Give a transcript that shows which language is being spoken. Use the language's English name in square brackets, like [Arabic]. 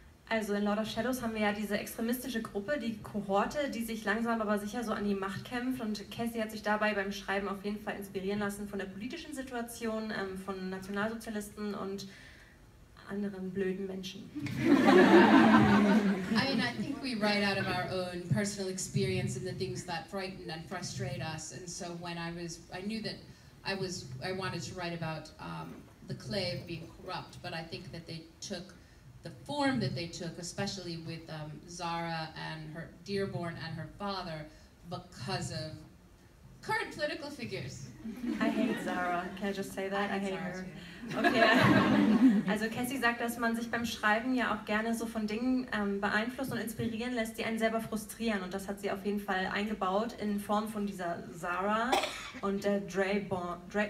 [German] Also in Lord of Shadows haben wir ja diese extremistische Gruppe, die Kohorte, die sich langsam aber sicher so an die Macht kämpft. Und Cassie hat sich dabei beim Schreiben auf jeden Fall inspirieren lassen von der politischen Situation, von Nationalsozialisten und anderen blöden Menschen. [English] I mean, I think we write out of our own personal experience and the things that frighten and frustrate us. And so when I wanted to write about the Clave being corrupt, but I think that they took the form that they took, especially with Zara and her Dearborn and her father, because of current political figures. I hate Zara. Can I just say that? I hate her. Okay. [German] Also Cassie sagt, dass man sich beim Schreiben ja auch gerne so von Dingen beeinflussen und inspirieren lässt, die einen selber frustrieren. Und das hat sie auf jeden Fall eingebaut in Form von dieser Zara und der Dearborn.